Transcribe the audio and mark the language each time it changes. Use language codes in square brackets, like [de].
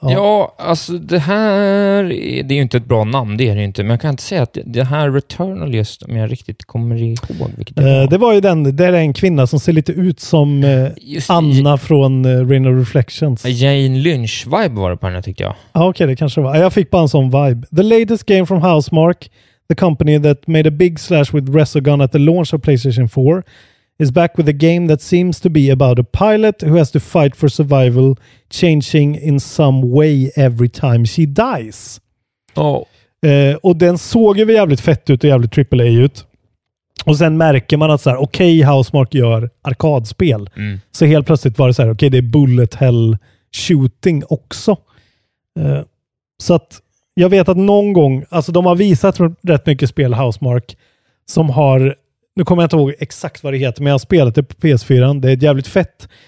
[sv] Ja, ja alltså det här det är ju inte ett bra namn, det är det ju inte. Men jag kan inte säga att det här Returnal just om jag riktigt kommer ihåg. Det var ju den, det är en kvinna som ser lite ut som Anna från Rain of Reflections. Jane Lynch-vibe var det på henne, tyckte jag. Ja, ah, okej, okay, det kanske var. Jag fick bara en sån vibe. [en] The latest game from Housemark, the company that made a big slash with Resogun at the launch of PlayStation 4, is back with a game that seems to be about a pilot who has to fight for survival, changing in some way every time she dies. Oh. [sv] Och den såg ju jävligt fett ut och jävligt AAA ut. Och sen märker man att så här, okej, okay, Housemark gör arkadspel. Mm. Så helt plötsligt var det så här, okej, okay, det är bullet hell shooting också. Så att jag vet att någon gång, alltså de har visat rätt mycket spel Housemark som har, nu kommer jag inte ihåg exakt vad det heter, men jag har spelat det på PS4. Det är jävligt fett.